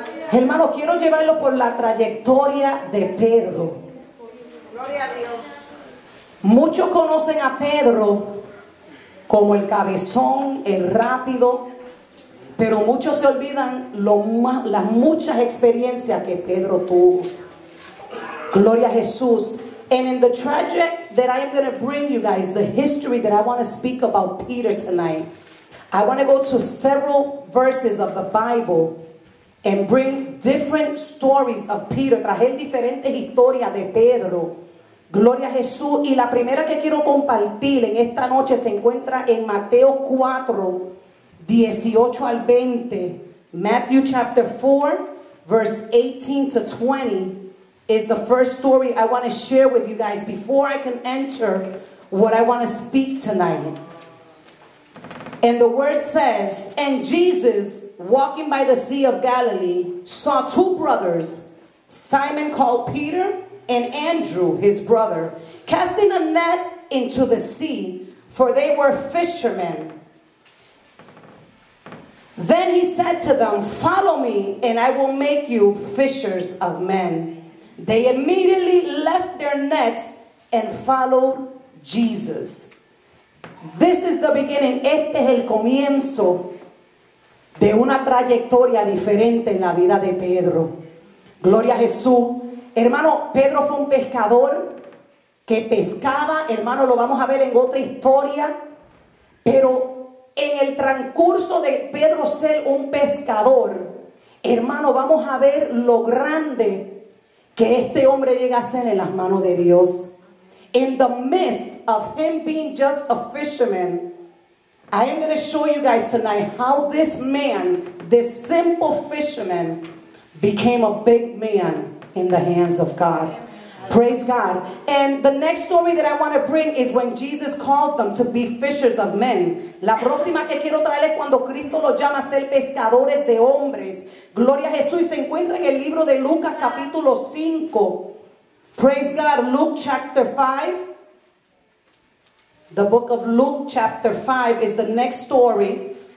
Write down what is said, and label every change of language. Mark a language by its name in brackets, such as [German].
[Spanish] Hermano, quiero llevarlo por la trayectoria de Pedro. Gloria a Dios. Muchos conocen a Pedro como el cabezón, el rápido, pero muchos se olvidan las muchas experiencias que Pedro tuvo. Gloria a Jesús. [English] And in the tragic that I am going to bring you guys, the history that I want to speak about Peter tonight, I want to go to several verses of the Bible and bring different stories of Peter. [Spanish] Traje diferentes historias de Pedro. Gloria a Jesús. Y la primera que quiero compartir en esta noche se encuentra en Mateo 4, 18 al 20. [English] Matthew chapter 4, verse 18 to 20 is the first story I want to share with you guys before I can enter what I want to speak tonight. And the word says, "And Jesus, walking by the Sea of Galilee, saw two brothers, Simon called Peter and Andrew, his brother, casting a net into the sea, for they were fishermen. Then he said to them, 'Follow me, and I will make you fishers of men.' They immediately left their nets and followed Jesus." This is the beginning. [Spanish] Este es el comienzo de una trayectoria diferente en la vida de Pedro. Gloria a Jesús. Hermano, Pedro fue un pescador que pescaba, hermano, lo vamos a ver en otra historia, pero en el transcurso de Pedro ser un pescador, hermano, vamos a ver lo grande que este hombre llega a ser en las manos de Dios. [English] In the midst of him being just a fisherman, I am going to show you guys tonight how this man, this simple fisherman, became a big man in the hands of God. Praise God. And the next story that I want to bring is when Jesus calls them to be fishers of men. [Spanish] La próxima que quiero traer es cuando Cristo los llama a ser pescadores de hombres. Gloria a Jesús. Se encuentra en el libro de Lucas capítulo 5. [English] Praise God. Luke chapter 5. The book of Luke chapter 5 is the next story.